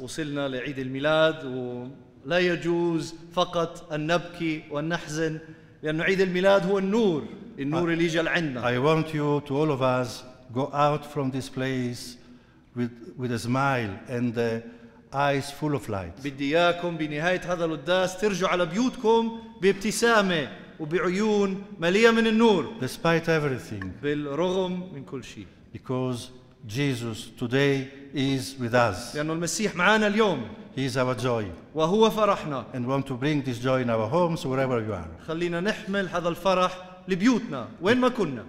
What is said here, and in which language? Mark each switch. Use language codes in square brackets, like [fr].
[ar] وصلنا لعيد الميلاد ولا يجوز فقط أن نبكي ونحزن لأن عيد الميلاد هو النور النور اللي جاء لعنا. [en] I want you to all of us go out from this place with a smile and eyes full of light. [ar] بدي إياكم بنهاية هذا القداس ترجعوا على بيوتكم بابتسامة وبعيون مليئة من النور. [en] Despite everything. [ar] بالرغم من كل شيء. [en] Because Jesus today is with us. [ar] لأنه المسيح معانا اليوم. [en] He is our joy. [ar] وهو فرحنا. [en] And want to bring this joy in our homes wherever you are. [ar] خلينا نحمل هذا الفرح لبيوتنا وين ما كنا.